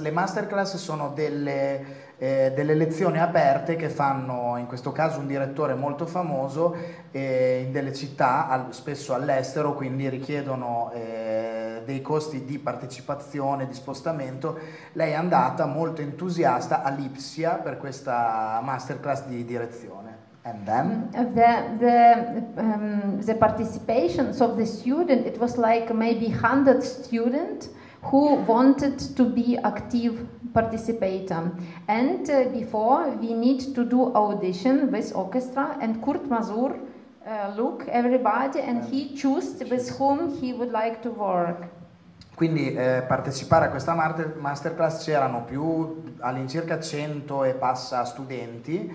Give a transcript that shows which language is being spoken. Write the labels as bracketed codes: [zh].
[it] Le masterclass sono delle lezioni aperte che fanno, in questo caso, un direttore molto famoso in delle città, spesso all'estero, quindi richiedono dei costi di partecipazione, di spostamento. Lei è andata molto entusiasta a Lipsia per questa masterclass di direzione. [en] And then the participation of the student, it was like maybe 100 students who wanted to be active participator, and before we need to do audition with orchestra, and Kurt Masur look everybody and he chose with whom he would like to work. [it] Quindi partecipare a questa masterclass c'erano più all'incirca 100 e passa studenti